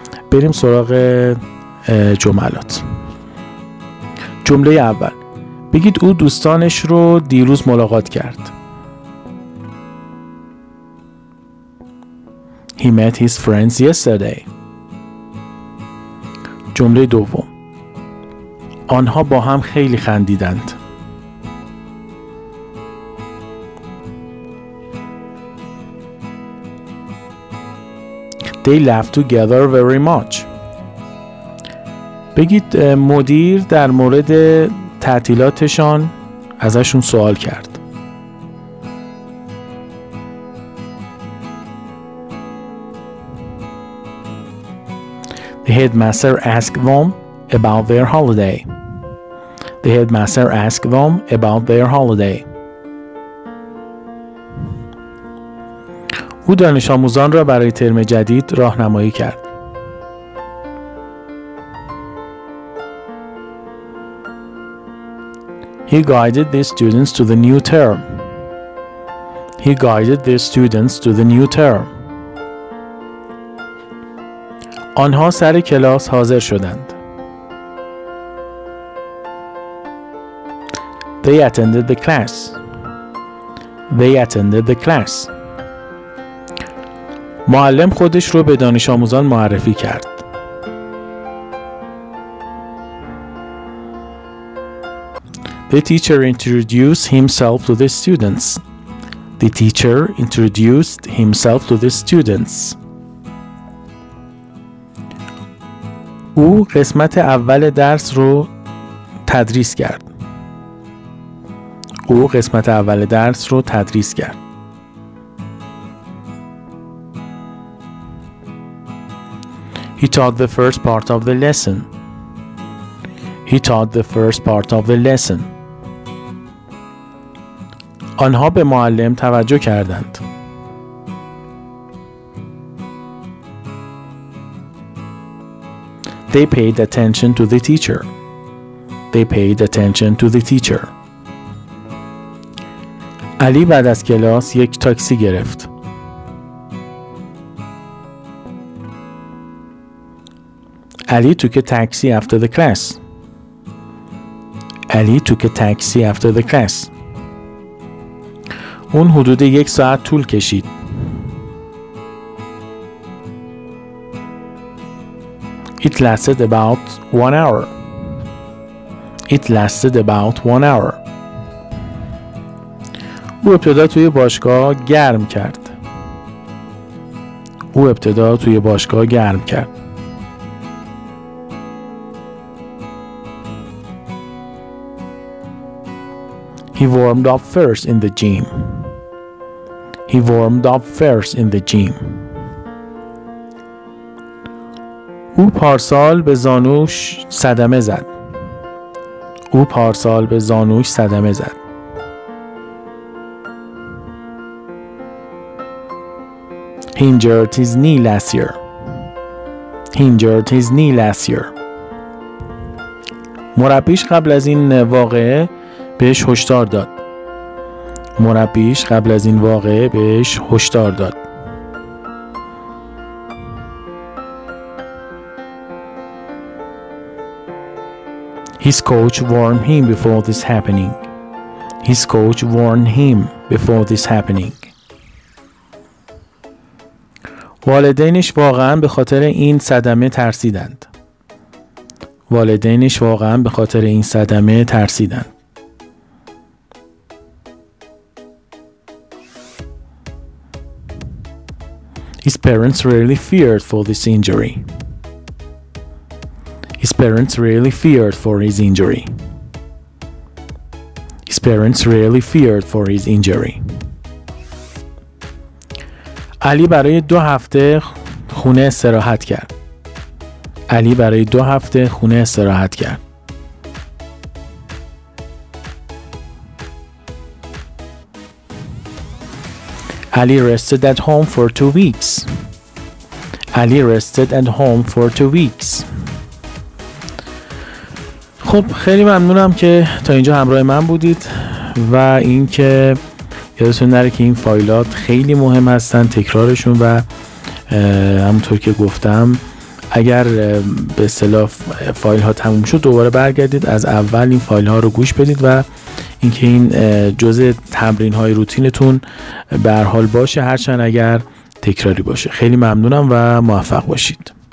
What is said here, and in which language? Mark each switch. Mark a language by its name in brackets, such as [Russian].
[Persian] بریم سراغ جملات. جمله اول، بگید او دوستانش رو دیروز ملاقات کرد. [English] He met his friends yesterday. [Persian] جمله دوم، آنها با هم خیلی خندیدند. [English] They laughed together very much. [Persian] بگید مدیر در مورد تعطیلاتشان ازشون سوال کرد. [English] The headmaster asked them about their holiday. The headmaster asked them about their holiday. [Persian] او دانش آموزان را برای ترم جدید راهنمایی کرد. [English] He guided the students to the new term. He guided the students to the new term. [Persian] آنها سر کلاس حاضر شدند. [English] They attended the class. They attended the class. [Persian] معلم خودش رو به دانش آموزان معرفی کرد. [English] The teacher introduced himself to the students. The teacher introduced himself to the students. [Persian] او قسمت اول درس رو تدریس کرد. او قسمت اول درس رو تدریس کرد. [English] He taught the first part of the lesson. He taught the first part of the lesson. [Persian] آنها به معلم توجه کردند. [English] They paid attention to the teacher. They paid attention to the teacher. [Persian] علی بعد از کلاس یک تاکسی گرفت. [English] Ali took a taxi after the class. Ali took a taxi after the class. [Persian] اون حدود یک ساعت طول کشید. [English] It lasted about 1 hour. It lasted about 1 hour. [Persian] او ابتدا توی باشگاه گرم کرد. او ابتدا توی باشگاه گرم کرد. [English] He warmed up first in the gym. He warmed up first in the gym. [Persian] او پارسال به زانوش صدمه زد. او پارسال به زانوش صدمه زد. [English] He injured his knee last year. He injured his knee last year. [Persian] مربیش قبل از این واقعه بهش هشدار داد. مربیش قبل از این واقعه بهش هشدار داد. [English] His coach warned him before this happening. His coach warned him before this happening. [Persian] والدینش واقعا به خاطر این صدمه ترسیدند. والدینش واقعا به خاطر این صدمه ترسیدند. [English] His parents really feared for this injury. His parents really feared for his injury. His parents really feared for his injury. [Persian] علی برای دو هفته خونه استراحت کرد. علی برای دو هفته خونه استراحت کرد. [English] Ali rested at home for 2 weeks. Ali rested at home for 2 weeks. [Persian] خب خیلی ممنونم که تا اینجا همراه من بودید و اینکه یادتون نره که این فایلات خیلی مهم هستن، تکرارشون، و همونطور که گفتم اگر به اصطلاح فایل ها تموم شد دوباره برگردید از اول این فایل ها رو گوش بدید و اینکه این جزء تمرین های روتینتون به هر حال باشه، هرچند اگر تکراری باشه. خیلی ممنونم و موفق باشید.